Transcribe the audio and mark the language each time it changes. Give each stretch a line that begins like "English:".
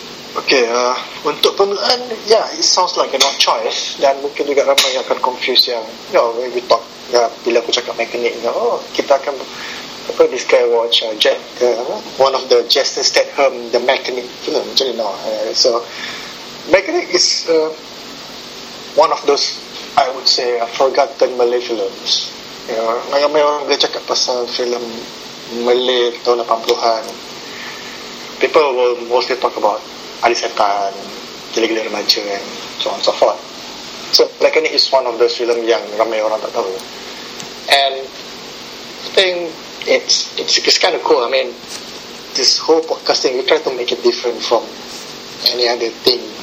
English: Okay,
Malay: untuk permulaan,
English: yeah, it sounds like an odd choice,
Malay: dan mungkin juga ramai yang akan
English: confused yang, you know, when we talk, yeah,
Malay: bila aku cakap
English: Mechanic, you know,
Malay: kita akan apa,
English: this guy watch one of the Jason Statham, the Mechanic film, you know. So Mechanic is one of those, I would say, forgotten Malay films.
Malay: Yeah, ramai orang boleh cakap pasal film Malay tahun 80-an.
English: People will mostly talk about Ali Setan, Gila-Gila Remaja and so on and so forth. So Mechanic is one of those films
Malay: yang ramai orang tak tahu.
English: And I think it's kind of cool. I mean, this whole podcasting, we try to make it different from any other thing.